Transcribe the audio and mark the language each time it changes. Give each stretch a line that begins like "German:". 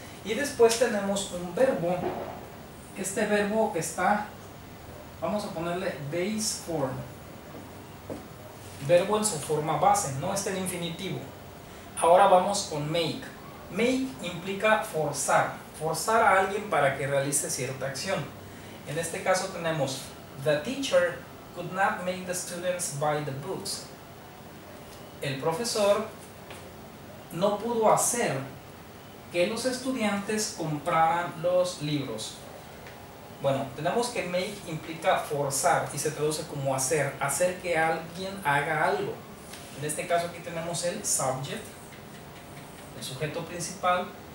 Spanish: Y después tenemos un verbo. Este verbo que está, vamos a ponerle base form. Verbo en su forma base, no está en infinitivo. Ahora vamos con make. Make implica forzar. Forzar a alguien para que realice cierta acción. En este caso tenemos,
English: the teacher could not make the students buy the books.
Spanish: El profesor no pudo hacer que los estudiantes compraran los libros. Bueno, tenemos que make implica forzar y se traduce como hacer. Hacer que alguien haga algo. En este caso aquí tenemos el subject, el sujeto principal.